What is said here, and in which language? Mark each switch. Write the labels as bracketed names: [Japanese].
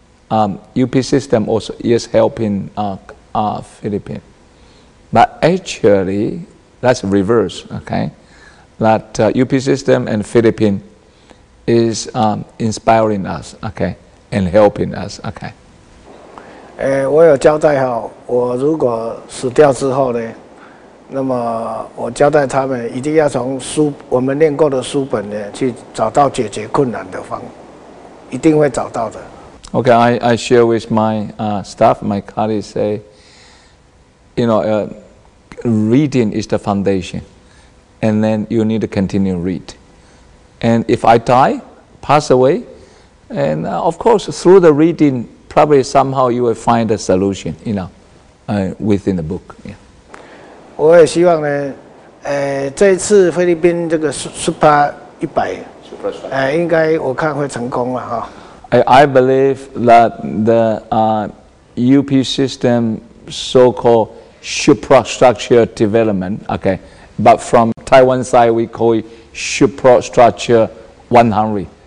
[English] UP system also is helping Philippines. But actually, that's reverse, okay? That UP system and Philippines is inspiring us, okay? And helping us, okay? [Chinese] 我有交代好，我如果死掉之后呢，那么我交代他们一定要从书，我们念过的书本呢，去找到解决困难的方，一定会找到的。 [English] Okay, I share with my staff, my colleagues say, you know, reading is the foundation, and then you need to continue read. And if I die, pass away, and of course through the reading, probably somehow you will find a solution, you know, within the book. Yeah. [Chinese] 我也希望呢, 这一次菲律宾这个Super 100，应该我看会成功了哈。 [English] I believe that the UP system, so-called superstructure development, okay, but from Taiwan side, we call it superstructure 100.